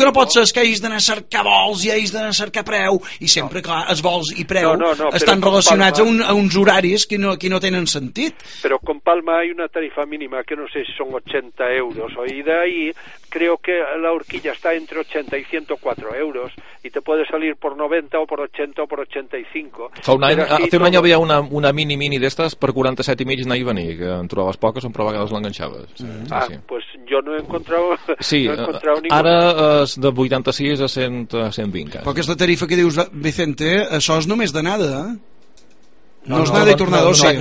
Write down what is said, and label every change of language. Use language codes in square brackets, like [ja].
[ca] que no pots ser que hagis d'anar a cercar vols i hagis d'anar a cercar preu, i sempre, clar, els vols i preu estan relacionats a uns horaris que no tenen sentit. Però con Palma hi ha una tarifa mínima que no sé si són 80 euros o d'ahí... [es] Creo que la horquilla está entre 80 y 104 euros y te puede salir por 90 o por 80 o por 85. [ca] Fa un any, a un any havia una mini d'estes per 47,5 anar i venir, que en trobaves poques, però a vegades l'enganxaves. [es] Mm-hmm. Ah, sí. Pues yo no he encontrado, sí, no he encontrado ningú. [ca] Ara és de 86 a 120. Però aquesta tarifa que dius, Vicente, això és només d'anada, no és d'anada i tornada, o sigui?